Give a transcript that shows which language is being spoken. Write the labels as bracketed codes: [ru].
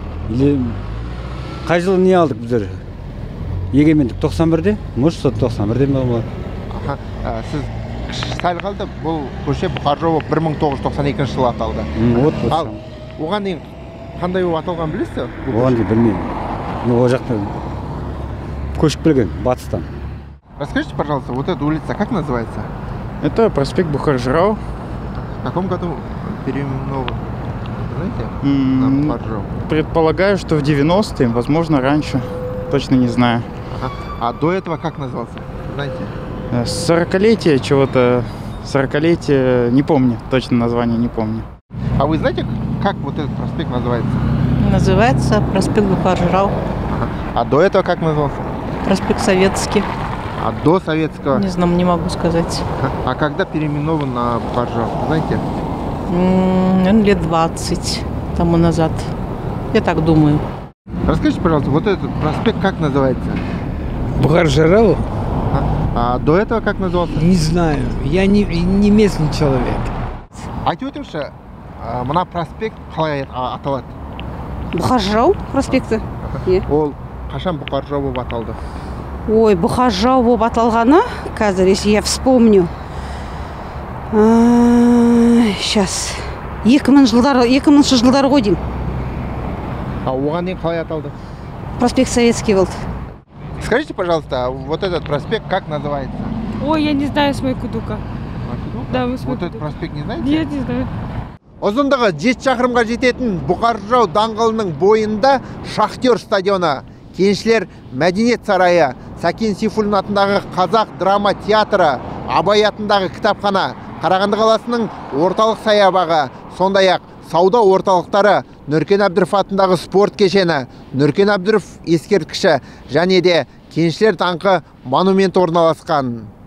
[ru] Или [kk] қай жылы не алдық біздер? Егемендік 91-де, [ru] может, [kk] 91-де ме болды? Сіз сәл қалды, бұл көше Бұқар жырау 1992 жылы аталды. Ал оған дейін қандай аталғанын білесіз? Оған дейін білмеймін. Мен ол жақта көшіп келген батыстан. [ru] Расскажите, пожалуйста, вот эта улица как называется? Это проспект Бұқар жырау. В каком году переименован? Знаете, Бұқар жырау? Предполагаю, что в 90-е, возможно, раньше. Точно не знаю. Ага. А до этого как назывался? Знаете? 40-летие чего-то. 40-летие, не помню. Точно название не помню. А вы знаете, как вот этот проспект называется? Называется проспект Бұқар жырау. А до этого как назывался? Проспект Советский. А до Советского? Не знаю, не могу сказать. А когда переименован на Бұқар жырау, знаете? Лет 20 тому назад, я так думаю. Расскажите, пожалуйста, вот этот проспект как называется? Бұқар жырау? А до этого как назывался? Не знаю, я не местный человек. [kk] Айтып өтіңізші, мына проспект қалай аталады? Бұқаржау проспекті. Ол қашан Бұқаржау болып аталды? Ой, Бұқаржау болып аталғаны, қазір [ru] я вспомню. Сейчас. [kk] 2000 жылдар ғой деймін. А оған дейін қалай аталды? Проспект Советский болды. [ru] Скажите, пожалуйста, вот этот проспект как называется? Ой, я не знаю, с моей кудука. Да, мы смотрим. Вот этот проспект не знаете? Нет, не знаю. [kk] Ұзындығы 7 шақырымға жететін Бұқаржау даңғылының бойында Шахтер стадионы, кеншілер мәдениет сарайы, Сәкен Сейфуллин атындағы Қазақ драма театры, Абай атындағы кітапхана, Қарағанды қаласының орталық саябағы, сондай-ақ сауда орталықтары, Нүркен Әбдіров атындағы спорт кешені, Нүркен Әбдіров ескерткіші және де кеншілер даңғы монумент орналасқан.